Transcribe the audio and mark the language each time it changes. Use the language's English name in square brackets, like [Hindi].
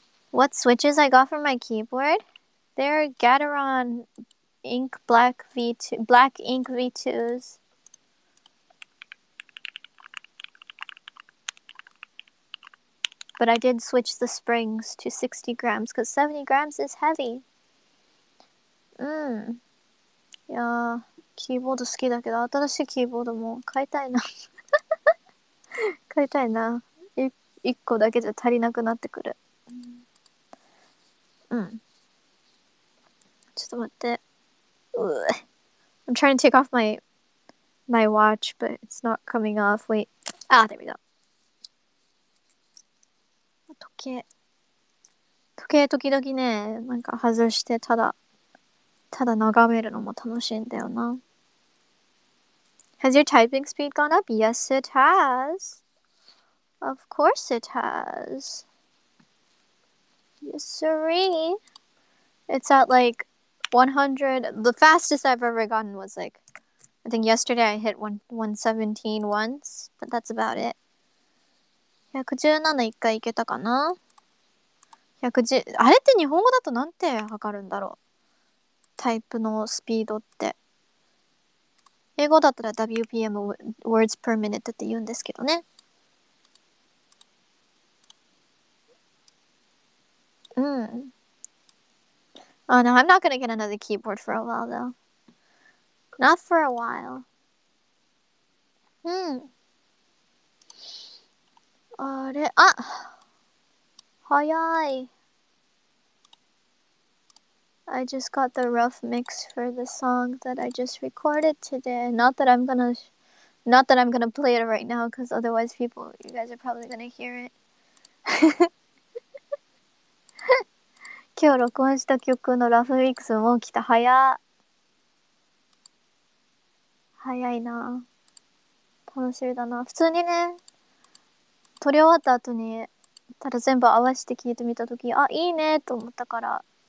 [English] What switches I got for my keyboard? They're Gateron Ink Black V2, Black Ink V2s. But I did switch the springs to 60 grams because 70 grams is heavy. [Japanese] いやーキーボード好きだけど新しいキーボードも買いたいな買いたいな一個だけじゃ足りなくなってくる。ちょっと待って。 [English] I'm trying to take off my watch, but it's not coming off. Wait. Ah, there we go. [Japanese] 時計時々ね、なんか外してただ眺めるのも楽しいんだよな。 [English] Has your typing speed gone up? Yes, it has. Of course it has. Yes, siree. It's at like 100. The fastest I've ever gotten was like, I think yesterday I hit 117 once, but that's about it. [Japanese] 117一回いけたかな110… あれって日本語だとなんて測るんだろう、タイプのスピードって。英語だったら WPM Words Per Minute って言うんですけどね。うん。 [English] Oh no, I'm not gonna get another keyboard for a while though. Not for a while. Hmm. [Japanese] あれ、あ、早い。 [English] I just got the rough mix for the song that I just recorded today. Not that I'm gonna play it right now, because otherwise you guys are probably gonna hear it. [Japanese] 今日録音した曲のラフミックスも来た。早いな。楽しみだな。普通にね、撮り終わった後に、ただ全部合わせて聴いてみたとき、あ、いいねと思ったから。